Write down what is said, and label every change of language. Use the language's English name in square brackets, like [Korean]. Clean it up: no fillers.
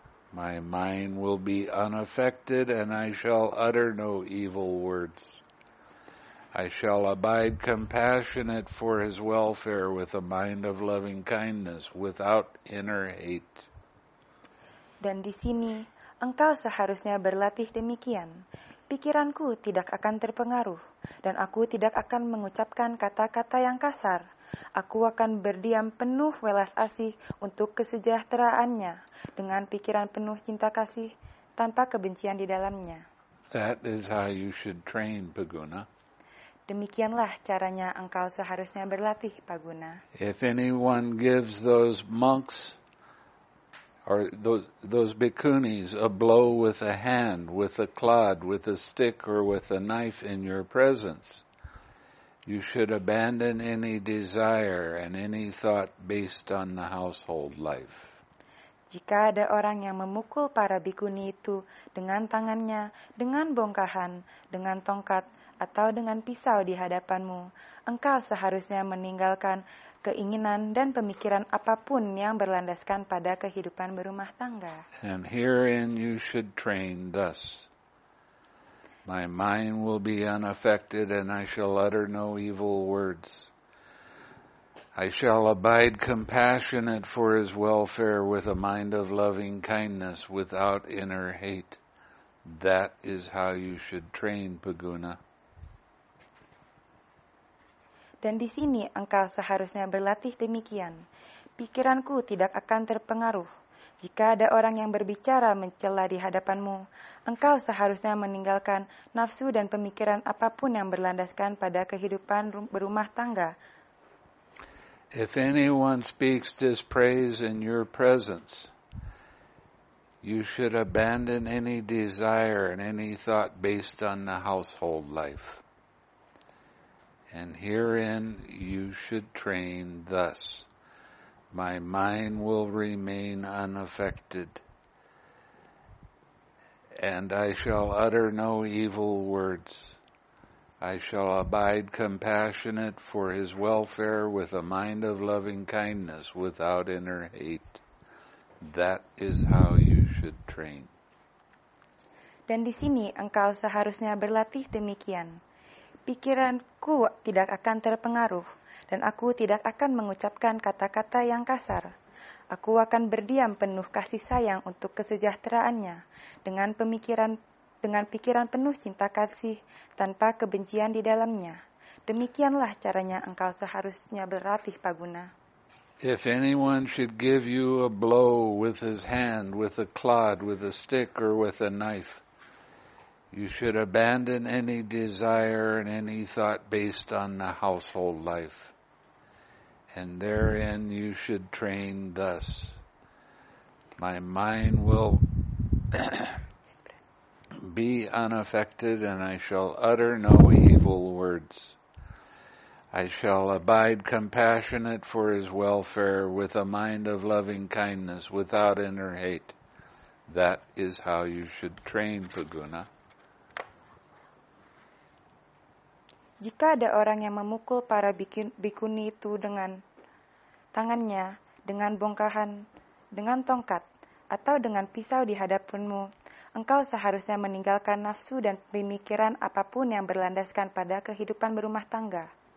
[English] My mind will be unaffected and I shall utter no evil words. I shall abide compassionate for his welfare with a mind of loving kindness without inner hate. [Indonesian] Dan di sini engkau seharusnya berlatih demikian. Pikiranku tidak akan terpengaruh dan aku tidak akan mengucapkan kata-kata yang kasar. Aku akan berdiam penuh welas asih untuk kesejahteraannya dengan pikiran penuh cinta kasih tanpa kebencian di dalamnya. [English] That is how you should train, Baguna. [Indonesian] Demikianlah caranya engkau seharusnya berlatih, Baguna. [English] If anyone gives those monks or those bikunis a blow with a hand, with a clod, with a stick or with a knife in your presence, you should abandon any desire and any thought based on the household life. [Indonesian] Jika ada orang yang memukul para bikuni itu dengan tangannya, dengan bongkahan, dengan tongkat, atau dengan pisau di hadapanmu, engkau seharusnya meninggalkan keinginan dan pemikiran apapun yang berlandaskan pada kehidupan berumah tangga. [English] And herein you should train thus. My mind will be unaffected and I shall utter no evil words. I shall abide compassionate for his welfare with a mind of loving kindness without inner hate. That is how you should train, Baguna. [Indonesian] Dan di sini engkau seharusnya berlatih demikian. Pikiranku tidak akan terpengaruh. Jika ada orang yang berbicara mencela di hadapanmu, engkau seharusnya meninggalkan nafsu dan pemikiran apapun yang berlandaskan pada kehidupan berumah tangga. [English] If anyone speaks dispraise in your presence, you should abandon any desire and any thought based on the household life. And herein you should train thus. My mind will remain unaffected, and I shall utter no evil words. I shall abide compassionate for his welfare with a mind of loving kindness without inner hate. That is how you should train. [Indonesian] Dan di sini engkau seharusnya berlatih demikian. Pikiranku tidak akan terpengaruh, dan aku tidak akan mengucapkan kata-kata yang kasar. Aku akan berdiam penuh kasih sayang untuk kesejahteraannya, dengan pikiran penuh cinta kasih, tanpa kebencian di dalamnya. Demikianlah caranya engkau seharusnya berlatih, Baguna. [English] If anyone should give you a blow with his hand, with a clod, with a stick, or with a knife, You should abandon any desire and any thought based on the household life. And therein you should train thus. My mind will be unaffected, and I shall utter no evil words. I shall abide compassionate for his welfare with a mind of loving kindness without inner hate. That is how you should train, Paguna. [Indonesian] Jika ada orang yang memukul para bikuni itu dengan tangannya, dengan bongkahan, dengan tongkat, atau dengan pisau di hadapanmu, engkau seharusnya meninggalkan nafsu dan pemikiran apapun yang berlandaskan pada kehidupan berumah tangga.